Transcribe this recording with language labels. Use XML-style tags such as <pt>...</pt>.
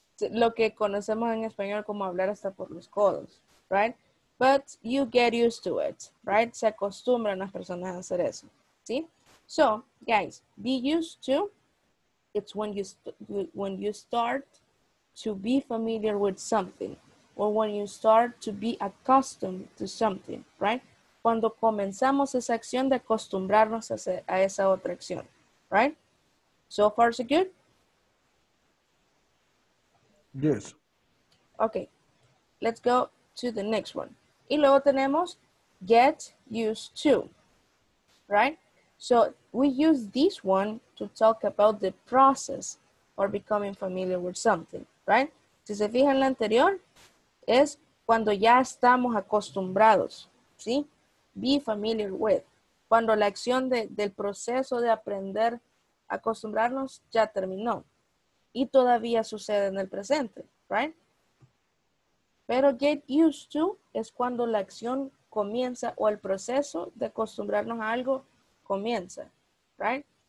<es>lo que conocemos en español como hablar hasta por los codos, right?</es> <en>But you get used to it, right?</en> <es>Se acostumbran las personas a hacer eso, ¿sí?</es> <en>So, guys, be used to, it's when you start to be familiar with something, or when you start to be accustomed to something, right?</en> <es>Cuando comenzamos esa acción de acostumbrarnos a esa otra acción, right?</es> <en>So far, so good? Yes. Okay, let's go to the next one.</en> <es>Y luego tenemos</es> <en>get used to, right? So we use this one to talk about the process or becoming familiar with something, right?</en> <es>Si se fijan la anterior, es cuando ya estamos acostumbrados, ¿sí?</es> <en>Be familiar with.</en> <es>Cuando la acción del proceso de aprender a acostumbrarnos ya terminó. Y todavía sucede en el presente, right? Pero get used to es cuando la acción comienza o el proceso de acostumbrarnos a algo comienza, right?</es>